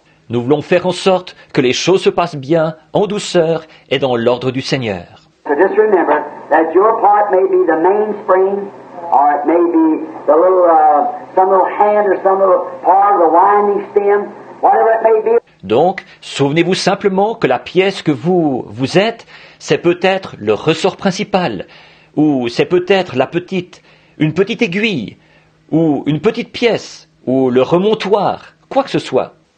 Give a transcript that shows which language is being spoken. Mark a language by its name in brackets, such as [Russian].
[French] Nous voulons faire en sorte que les choses se passent bien, en douceur et dans l'ordre du Seigneur. [English] So just remember that your part may be the mainspring, or it may be the little, some little hand or some little part of the winding stem, whatever it may be. [French] Donc, souvenez-vous simplement que la pièce que vous êtes, c'est peut-être le ressort principal, ou c'est peut-être une petite aiguille, ou une petite pièce, ou le remontoir, quoi que ce soit.